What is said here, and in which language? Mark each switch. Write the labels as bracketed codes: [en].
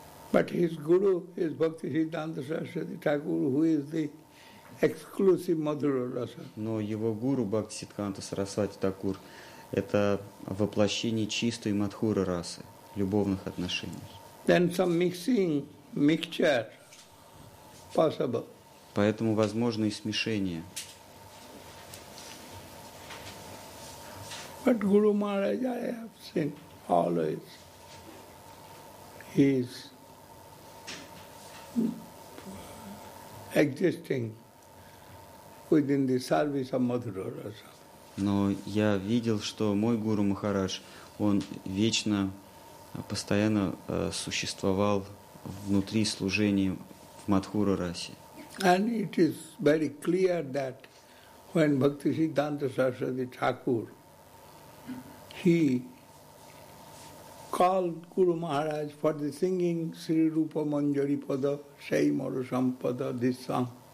[en] But his guru is Bhaktisiddhanta Saraswati Thakur, who is the exclusive Madhura-rasa. [ru] Но его гуру Бхактисиддханта Сарасвати Такур – это воплощение чистой Мадхура-расы, любовных отношений. [en] Then some mixing, mixture possible. [ru] Поэтому возможно и смешение. [en] But Guru Maharaj, I have seen always, he is existing within the service of Madhura Rasa. [ru] Но я видел, что мой Гуру Махарадж, он вечно, постоянно существовал внутри служения в Мадхура Расе. [en] And it is very clear that when Bhakti Siddhanta Saraswati Thakur, he called Guru Maharaj for the singing Sri Rupa Manjari Pada, Sai Maru Sampada, this song.